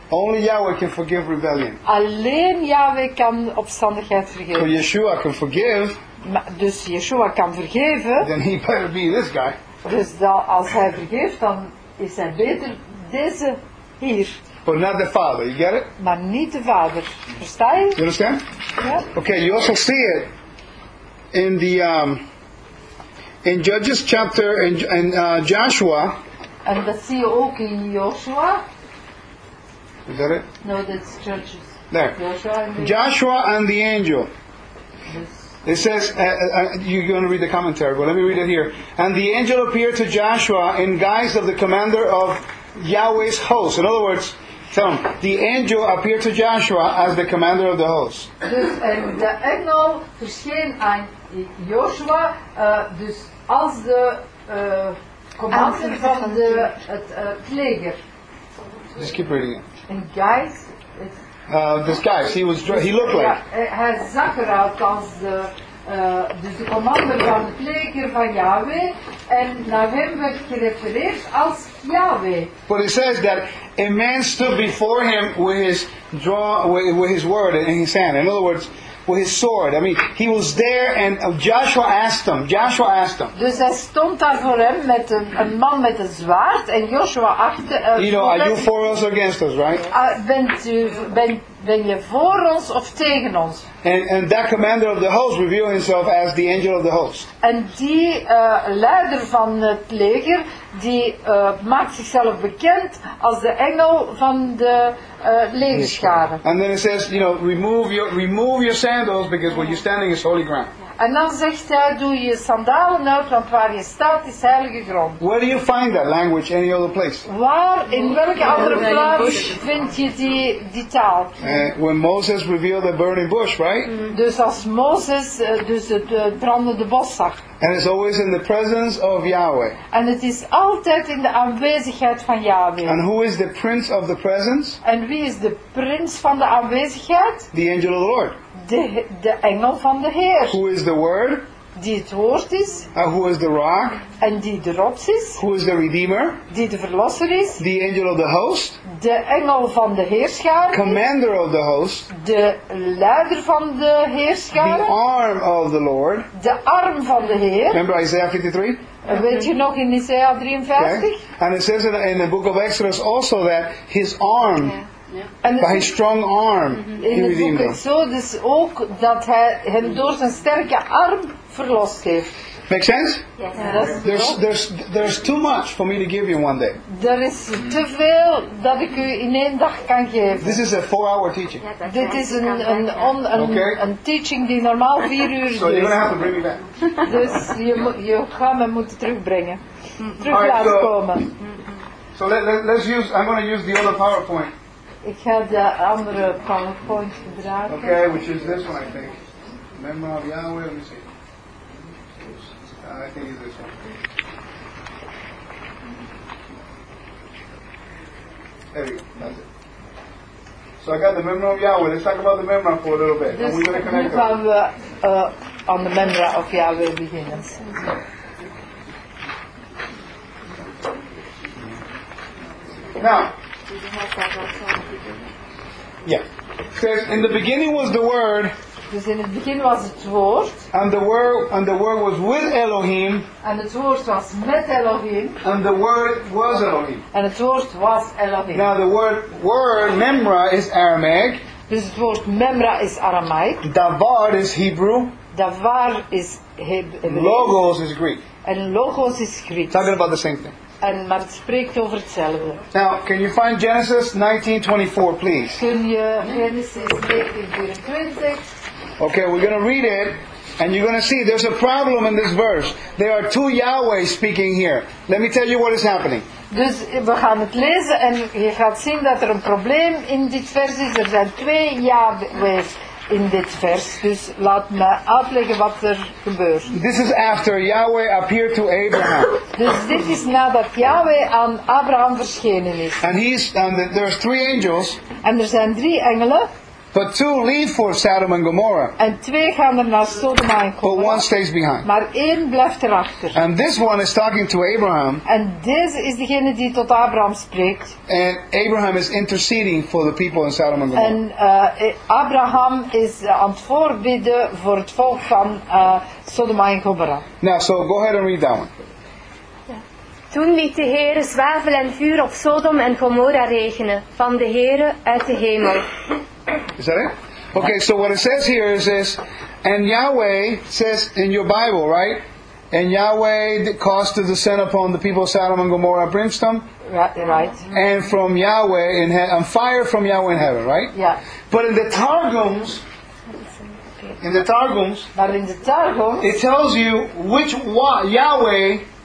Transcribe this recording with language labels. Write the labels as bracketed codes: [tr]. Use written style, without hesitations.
[en] Only Yahweh can forgive rebellion. [nl] Alleen Yahweh kan opstandigheid vergeven. [en] So Yeshua can forgive. [nl] Dus Yeshua kan vergeven. [en] Then he better be this guy. [nl] Dus dat, als hij vergeeft, dan is hij beter deze hier. [en] But not the Father, you get it? [nl] Maar niet de Vader. Versta je? [en] You understand? [nl] Ja. [en] Okay, you also see it in the in Judges chapter in Joshua. [nl] En dat zie je ook in Joshua. [en] Is that it? No, that's Judges. There. Joshua and the angel. Yes. It says, you're going to read the commentary, but let me read it here. And the angel appeared to Joshua in guise of the commander of Yahweh's host. In other words, tell him, the angel appeared to Joshua as the commander of the host. [nl] Dus de engel verscheen aan Joshua, dus als de... commander van het leger. [en] Just keep reading it. And guys, this guy, he was, he looked like. [nl] Hij zag eruit als de commander van het leger van Yahweh, en naar hem werd gerefereerd als Yahweh. [en] But it says that a man stood before him with his word in his hand. In other words, with his sword. I mean, he was there, and Joshua asked him. Joshua asked him. [nl] Dus hij stond daar voor hem met een man met een zwaard, en Joshua achter. [en] You know, are you for us or against us, right? [nl] Ben je voor ons of tegen ons? [en] And that commander of the host revealed himself as the angel of the host. [nl] En die leider van het leger, die maakt zichzelf bekend als de engel van de legerscharen. [en] And then it says, you know, remove your sandals because where you're standing is holy ground. [nl] En dan zegt hij, doe je sandalen uit, want waar je staat is heilige grond. [en] Where do you find that language any other place? [nl] Waar, in welke andere plaats vind je die taal? [en] When Moses revealed the burning bush, right? [nl] Dus als Moses dus het brandende bos zag. [en] And it's always in the presence of Yahweh. [nl] En het is altijd in de aanwezigheid van Yahweh. [en] And who is the prince of the presence? [nl] En wie is de prins van de aanwezigheid? [en] The angel of the Lord. [nl] De engel van de Heer. [en] Who is the word? [nl] Die het woord is. [en] And who is the rock? [nl] En die de rots is. [en] Who is the redeemer? [nl] Die de verlosser is. [en] The angel of the host. [nl] De engel van de heerscharen. [en] Commander of the host. [nl] De leider van de heerscharen. [en] The arm of the Lord. [nl] De arm van de Heer. [en] Remember Isaiah 53? [nl] Weet je nog in Isaiah 53? [en] And it says in the book of Exodus also that his arm. By his strong arm, he redeemed them. [nl] So, dus ook dat hij hem door zijn sterke arm verlost heeft. [en] Make sense? Yes. There's too much for me to give you one day. There is [nl] te veel dat ik u in één dag kan geven. [en] This is a four-hour teaching. [nl] Dit is een teaching die normaal 4 uur duurt. [en] So you're gonna have to bring me back. [nl] Dus je gaat me moeten terugbrengen, terug laten komen. [en] So let's use. I'm gonna use the other PowerPoint. [nl] Ik ga de andere PowerPoint gebruiken. [en] Okay, which is this one, I think. Memory of Yahweh, let me see. I think it's this one. There you go, that's it. So I got the memory of Yahweh. Let's talk about the memory for a little bit. [nl] Dus [en] and we're going to connect them. On the memory of Yahweh beginners. Now, yeah. It says, in the beginning was the Word. [nl] Dus in het begin was het woord. [en] And the word was with Elohim. [nl] En het woord was met Elohim. [en] And the word was Elohim. [nl] En het woord was Elohim. [en] Now the word memra is Aramaic. [nl] Dus het woord memra is Aramaic. [en] Davar is Hebrew. Davar is Hebrew. Logos is Greek. [nl] En logos is Greek. [en] Talking about the same thing. [nl] En maar het spreekt over hetzelfde. [en] Now, can you find Genesis 19:24, please? [nl] Kun je Genesis 19:24? [en] Okay, we're going to read it, and you're going to see there's a problem in this verse. There are two Yahweh speaking here. Let me tell you what is happening. [nl] Dus we gaan het lezen, en je gaat zien dat er een probleem in dit vers is. Er zijn twee Yahweh's in dit vers. Dus laat me uitleggen wat er gebeurt. [en] This is after Yahweh appeared to Abraham. [nl] Dus dit is nadat Yahweh aan Abraham verschenen is. [en] And there's three angels. [nl] En er zijn drie engelen. [en] But two leave for Sodom and Gomorrah. [nl] En twee gaan er naar Sodom en Gomorra. [en] But one stays behind. [nl] Maar één blijft erachter. [en] And this one is talking to Abraham. [nl] En deze is degene die tot Abraham spreekt. [en] And Abraham is interceding for the people in Sodom and Gomorrah. [nl] En Abraham is aan het voorbidden voor het volk van Sodom en Gomorra. [en] Now, so go ahead and read that one. [nl] Toen liet de Heere zwavel en vuur op Sodom en Gomorra regenen, van de Heere uit de hemel. [en] Is that it? Okay, so what it says here is this, and Yahweh says in your Bible, right? And Yahweh caused to descend upon the people of Sodom and Gomorrah brimstone. Right. And from Yahweh in heaven, and fire from Yahweh in heaven, right? Yeah. But in the Targums, it tells you which Yahweh.